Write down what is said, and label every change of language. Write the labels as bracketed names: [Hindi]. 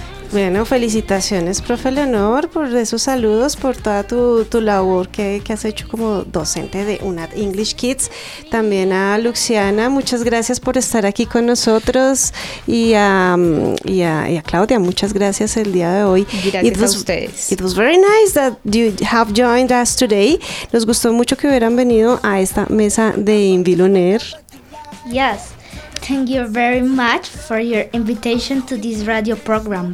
[Spanish] Bueno, felicitaciones, profe Leonor, por esos saludos, por toda tu labor que has hecho como docente de UNAD English Kids. También a Luciana, muchas gracias por estar aquí con nosotros, y a Claudia, muchas gracias el día de hoy. Gracias a ustedes. [English] It was very nice that you have joined us today. [Spanish] Nos gustó mucho que hubieran venido a esta mesa de Invil On Air. [English] Yes. Thank you very much for your invitation to this radio program.